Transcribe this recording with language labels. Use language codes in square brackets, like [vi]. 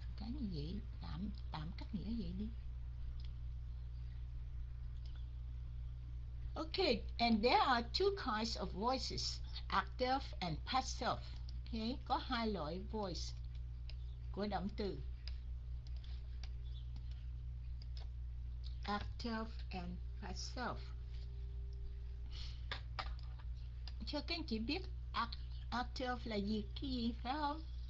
[vi] Cái như vậy, tạm cắt nghĩa vậy đi. [en] Okay, and there are two kinds of voices, active and passive. [vi] Okay, có hai loại voice của động từ. Active and passive. Cho các anh chị biết active là gì, cái gì, phải không?